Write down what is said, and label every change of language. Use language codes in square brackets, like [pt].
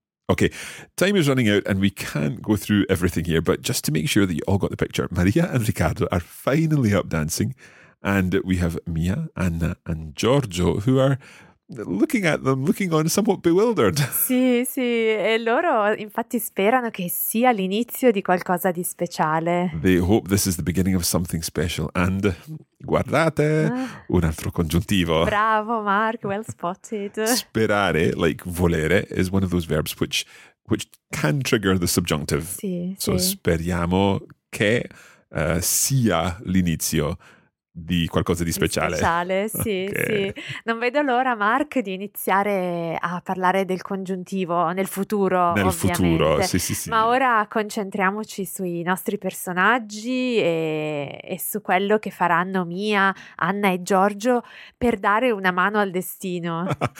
[en] Okay, time is running out and we can't go through everything here, but just to make sure that you all got the picture, Maria and Riccardo are finally up dancing and we have Mia, Anna and Giorgio who are looking at them, looking on somewhat bewildered. [it] Sì, sì, e loro infatti sperano che sia l'inizio di qualcosa di speciale. [en] They hope this is the beginning of something special and... [it] guardate, un altro congiuntivo. [en] Bravo, Mark, well spotted. Sperare, like volere, is one of those verbs which can trigger the subjunctive. [it] Sì, [en] so [it] sì. Speriamo che sia l'inizio di qualcosa di speciale. Speciale, sì, okay. Sì. Non vedo l'ora, Mark, di iniziare a parlare del congiuntivo nel futuro, nel ovviamente. Futuro, sì, sì, sì. Ma ora concentriamoci sui nostri personaggi e su quello che faranno Mia, Anna e Giorgio per dare una mano al destino.